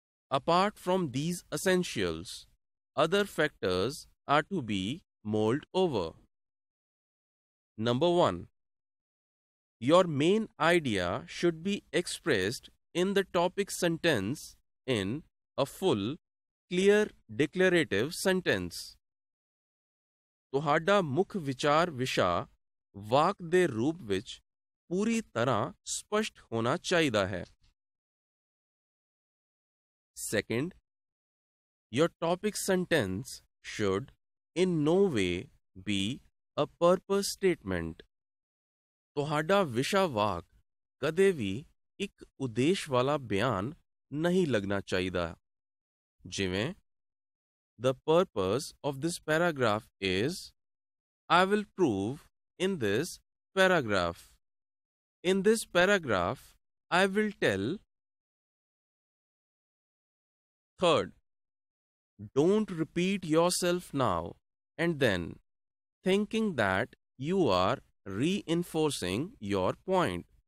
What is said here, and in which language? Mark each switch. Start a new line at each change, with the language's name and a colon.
English: Apart from these essentials, other factors are to be mulled over. Number 1. Your main idea should be expressed in the topic sentence in a full, clear, declarative sentence.
Punjabi: ਤੁਹਾਡਾ ਮੁੱਖ ਵਿਚਾਰ ਵਿਸ਼ਾ ਵਾਕ ਦੇ ਰੂਪ ਵਿੱਚ ਪੂਰੀ ਤਰ੍ਹਾਂ ਸਪਸ਼ਟ ਹੋਣਾ ਚਾਹੀਦਾ ਹੈ।
English: Second, your topic sentence should in no way be a purpose statement.
Punjabi: ਤੁਹਾਡਾ ਵਿਸ਼ਾ ਵਾਕ ਕਦੇ ਵੀ ਇੱਕ ਉਦੇਸ਼ ਵਾਲਾ ਬਿਆਨ ਨਹੀਂ ਲੱਗਣਾ ਚਾਹੀਦਾ, ਜਿਵੇਂ
English: The purpose of this paragraph is I will prove in this paragraph. In this paragraph, I will tell. Third, don't repeat yourself now and then, thinking that you are reinforcing your point.